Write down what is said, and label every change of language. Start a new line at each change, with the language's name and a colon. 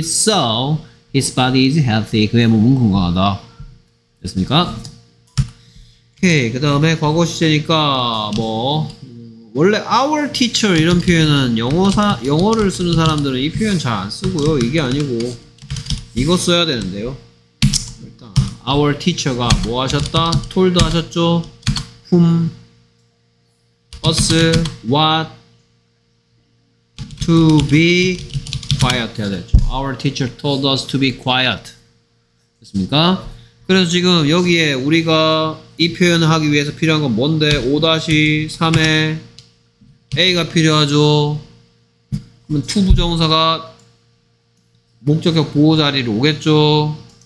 English: So his body is healthy.
Korean: 그의 몸은 건강하다. 됐습니까? 오케이. 그 다음에 과거 시제니까 뭐 원래 our teacher 이런 표현은 영어를 쓰는 사람들은 이 표현 잘 안 쓰고요. 이게 아니고 이거 써야 되는데요. 일단 our teacher가 뭐 하셨다? told 하셨죠?
English: whom, us, what, to be quiet 해야 되죠. Our teacher told us to be quiet.
Korean: 됐습니까? 그래서 지금 여기에 우리가 이 표현을 하기 위해서 필요한 건 뭔데? 5-3에 A가 필요하죠. 그러면 to 부정사가 목적격 보호자리로 오겠죠.